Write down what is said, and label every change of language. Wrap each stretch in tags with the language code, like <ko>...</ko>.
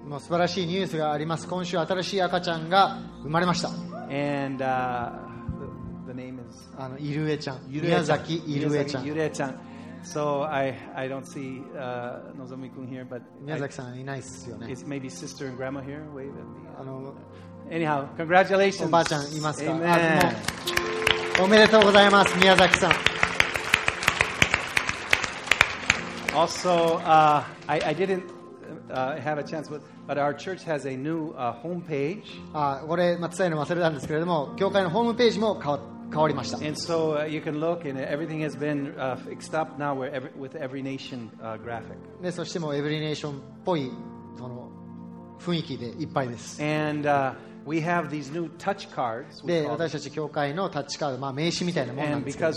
<ja>もう素晴らしいニュースがあります。今週新しい赤ちゃんが生まれました。</ja> <en>And the name is</en> <ja>あのイルエちゃん、ゆるえちゃん、宮崎イルエちゃん、ゆるえちゃん。</ja> <en>So I don't see のぞみくん here, but</en> <ja>宮崎さんいないですよね。</ja> <en>Is maybe sister and grandma here? Wave at me. あの anyhow, congratulations.</en> <ja>おばあちゃんいますか。</ja> <en>Amen.</en> <ja>おめでとうございます、宮崎さん。</ja> <en>Also, I didn't have a chance, but our church has a new homepage.</en> <ja>これ伝えるの忘れたんですけれども、教会のホームページも変わりました。</ja> <en>And so you can look, and everything has been fixed up now with every nation graphic.</en> <ja>で、そしてもエブリネーションっぽいその雰囲気でいっぱいです。</ja> <en>And we have these new touch cards.</en> <ja>で、私たち教会のタッチカード、まあ名刺みたいなものなんですけども。</ja>